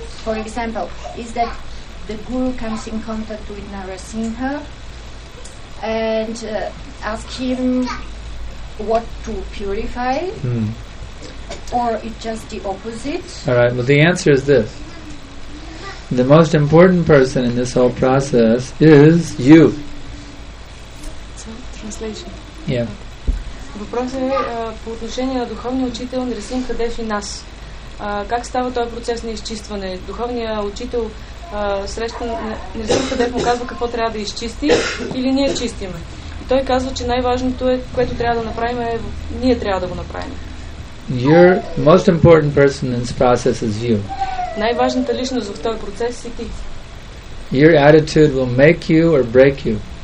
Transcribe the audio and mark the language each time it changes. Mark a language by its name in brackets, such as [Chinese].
[English] For example, is that the Guru comes in contact with Narasimha and ask him what to purify, or it's just the opposite? All right, well, the answer is this. The most important person in this whole process is you. Translation. Yeah. [Bulgarian] Въпросът е по отношение на духовния учител Нарасимха Дев и нас. Как става този процес на изчистване? Духовният учител среща Нарасимха Дев му казва какво трябва да изчисти или ние чистиме. Той казва, че най-важното е, което трябва да направим, е ние трябва да го направим. [English] Your most important person in this process is you. [Bulgarian] Най-важната личност в този процес си ти. [English] Your attitude will make you or break you.